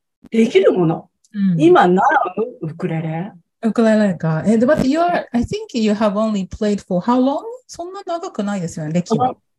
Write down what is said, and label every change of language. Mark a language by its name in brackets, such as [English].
[Japanese] できるもの、今なウクレレ。ウクレレか。 [English] But I think you have only played for how long? [Japanese] そんな長くないですよね、歴は。